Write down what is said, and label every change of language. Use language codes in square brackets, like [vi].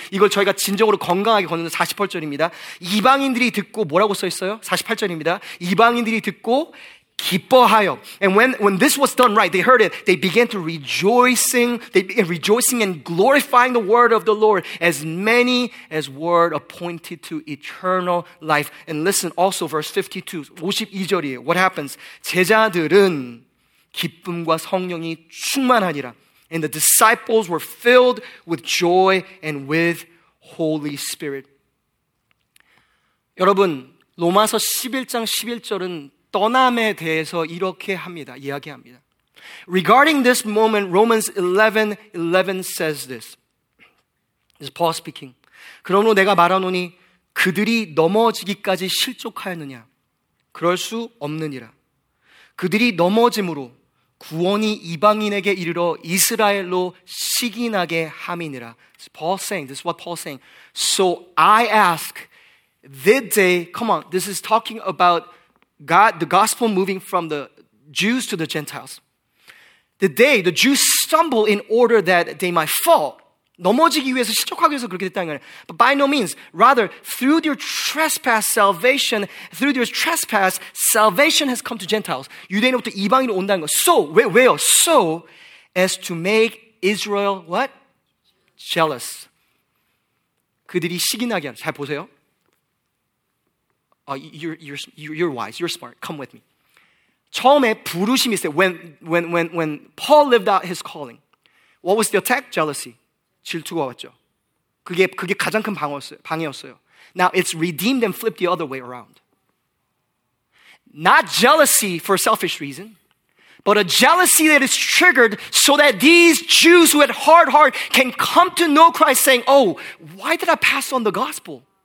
[ko] 이걸 저희가 진정으로 건강하게 걷는 48절입니다. 이방인들이 듣고 뭐라고 써 있어요? 48절입니다. 이방인들이 듣고 기뻐하여. [en] And when this was done right, they heard it, they began to rejoicing, they began rejoicing and glorifying the word of the Lord as many as were appointed to eternal life. And listen also, verse 52, [ko] 52절이에요. [en] What happens? [ko] 제자들은 기쁨과 성령이 충만하니라. [en] And the disciples were filled with joy and with Holy Spirit. [ko] 여러분, 로마서 11장 11절은 떠남에 대해서 이렇게 합니다. 이야기합니다. [en] Regarding this moment, Romans 11:11 says this. This is Paul speaking. [ko] 그러므로 내가 말하노니 그들이 넘어지기까지 실족하였느냐? 그럴 수 없느니라. 그들이 넘어짐으로 구원이 이방인에게 이르러 이스라엘로 시기 나게 함이니라. [en] This is Paul saying. This is what Paul saying. So I ask, did they? Come on. This is talking about God, the gospel moving from the Jews to the Gentiles. Did they, the Jews, stumble in order that they might fall? [ko] 넘어지기 위해서, 실족하기 위해서 그렇게 됐다는 거예요. [en] But by no means. Rather, through their trespass, salvation, through their trespass, salvation has come to Gentiles. [ko] 유대인으로부터 이방인으로 온다는 거예요. [en] So, [ko] 왜요? [en] So, as to make Israel, what? Jealous. [ko] 그들이 시기 나게 하는, 잘 보세요. [en] You're wise. You're smart. Come with me. [ko] 처음에 부르심이 있어요. [en] When Paul lived out his calling, what was the attack? Jealousy. [ko] 질투가 왔죠. 그게 가장 큰 방해였어요. [en] Now it's redeemed and flipped the other way around. Not jealousy for selfish reason, but a jealousy that is triggered so that these Jews who had hard heart can come to know Christ saying, oh, why did I pass on the gospel?